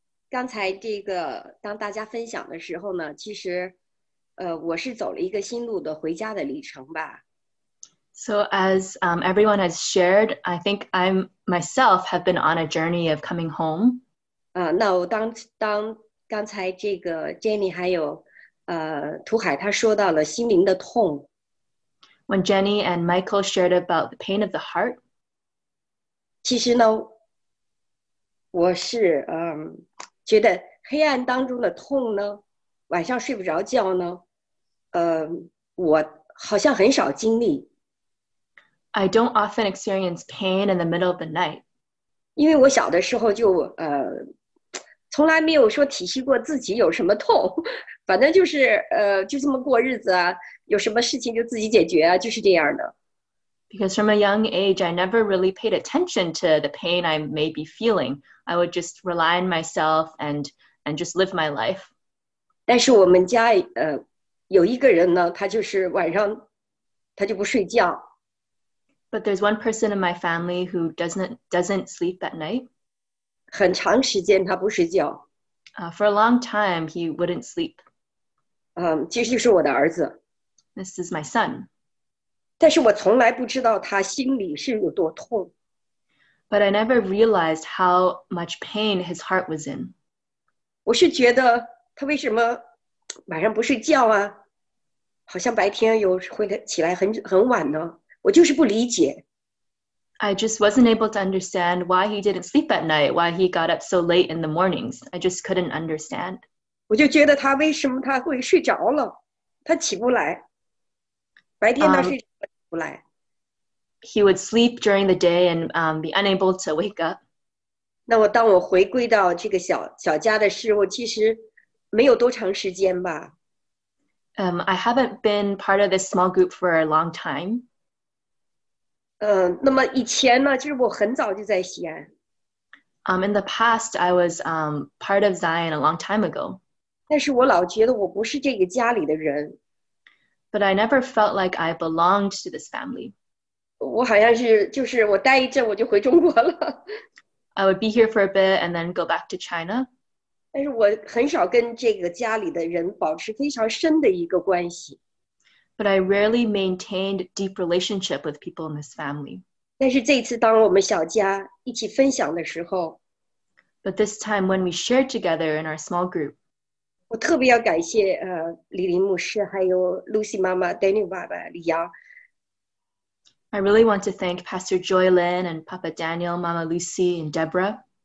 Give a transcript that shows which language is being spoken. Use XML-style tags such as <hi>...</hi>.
<zh>刚才这个当大家分享的时候呢，其实，我是走了一个新路的回家的旅程吧。</zh> <en>So as everyone has shared, I think I myself have been on a journey of coming home.</en> <zh>那我当刚才这个 Jenny 还有图海他说到了心灵的痛。</zh> <en>When Jenny and Michael shared about the pain of the heart,</en> <zh>其实呢，我是觉得黑暗当中的痛呢，晚上睡不着觉呢，我好像很少经历。</zh> <en>I don't often experience pain in the middle of the night.</en> <zh>因为我小的时候就从来没有说体恤过自己有什么痛，反正就是就这么过日子啊。有什么事情就自己解决啊，就是这样的。</zh> <en>Because from a young age, I never really paid attention to the pain I may be feeling. I would just rely on myself and just live my life.</en> <zh>但是我们家有一个人呢，他就是晚上他就不睡觉。</zh> <en>But there's one person in my family who doesn't sleep at night.</en> <zh>很长时间他不睡觉。</zh> <en>For a long time, he wouldn't sleep.</en> <zh>其实就是我的儿子。</zh> <en>This is my son.</en> <zh>但是我从来不知道他心里是有多痛。</zh> <en>But I never realized how much pain his heart was in.</en> <zh>我是觉得他为什么晚上不睡觉啊？好像白天有会起来很晚呢？我就是不理解。</zh> <en>I just wasn't able to understand why he didn't sleep at night, why he got up so late in the mornings. I just couldn't understand.</en> <zh>我就觉得他为什么他会睡着了？他起不来。白天他睡不来。</zh> <en>He would sleep during the day and be unable to wake up.</en> <zh>那我当我回归到这个小家的时候，其实没有多长时间吧。</zh> <en>I haven't been part of this small group for a long time.</en> <zh>那么以前呢，就是我很早就在西安。</zh> <en>In the past, I was part of Zion a long time ago.</en> <zh>但是我老觉得我不是这个家里的人。</zh> <en>But I never felt like I belonged to this family.</en> <zh>我好像是就是我待一阵我就回中国了。</zh> <en>I would be here for a bit and then go back to China.</en> <zh>但是我很少跟这个家里的人保持非常深的一个关系。</zh> <en>But I rarely maintained deep relationship with people in this family.</en> <zh>但是这次当我们小家一起分享的时候。</zh> <en>But this time when we shared together in our small group.</en> <zh>我特别要感谢李林牧师，还有 Lucy 妈妈、Daniel 爸爸、李阳。</zh> <en>I really want to thank Pastor Joy Lin and Papa Daniel, Mama Lucy, and Deborah.</en>